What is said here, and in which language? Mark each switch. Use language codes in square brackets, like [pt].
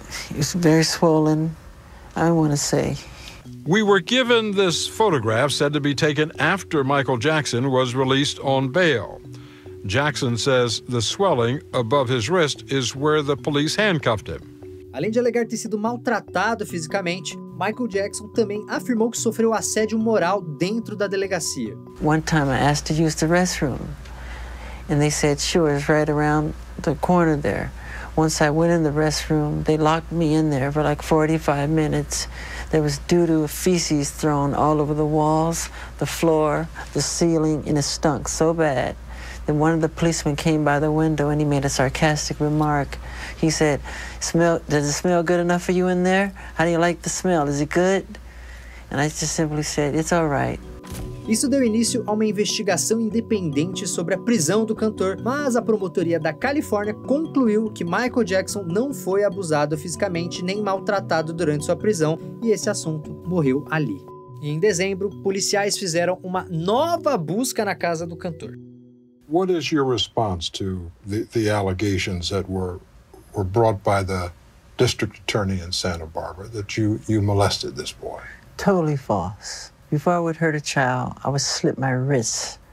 [en] It was very swollen. I want to say. We were given this photograph said to be taken after Michael Jackson was released on bail. Jackson says the swelling above his wrist is where the police handcuffed him. [pt] Além de alegar ter sido maltratado fisicamente, Michael Jackson também afirmou que sofreu assédio moral dentro da delegacia. [en] One time I asked to use the restroom and they said sure, it's right around the corner there. Once I went in the restroom, they locked me in there for like 45 minutes. There was doo-doo feces thrown all over the walls, the floor, the ceiling, and it stunk so bad. Then one of the policemen came by the window and he made a sarcastic remark. He said, "Smell? Does it smell good enough for you in there? How do you like the smell? Is it good?" And I just simply said, "It's all right." [pt] Isso deu início a uma investigação independente sobre a prisão do cantor, mas a promotoria da Califórnia concluiu que Michael Jackson não foi abusado fisicamente nem maltratado durante sua prisão, e esse assunto morreu ali. E em dezembro, policiais fizeram uma nova busca na casa do cantor. [en] What is your response to the allegations that were brought by the district attorney in Santa Barbara that you molested this boy? Totally false. Before I would hurt a child, I would slip my wrists.